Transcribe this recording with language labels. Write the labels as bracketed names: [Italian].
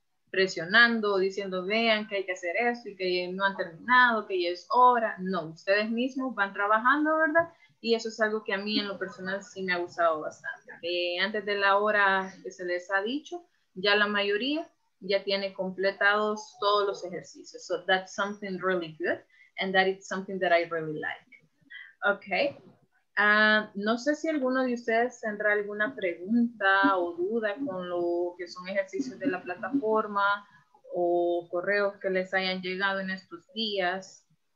[Spanish] Presionando, diciendo, vean que hay que hacer esto y que no han terminado, que ya es hora. No, ustedes mismos van trabajando, ¿verdad? Y eso es algo que a mí en lo personal sí me ha gustado bastante. Antes de la hora que se les ha dicho, ya la mayoría ya tiene completados todos los ejercicios. [English] So that's something really good. And that is something that I really like. Okay. [Spanish] No sé si alguno de ustedes tendrá alguna pregunta o duda con lo que son ejercicios de la plataforma o correos que les hayan llegado en estos días.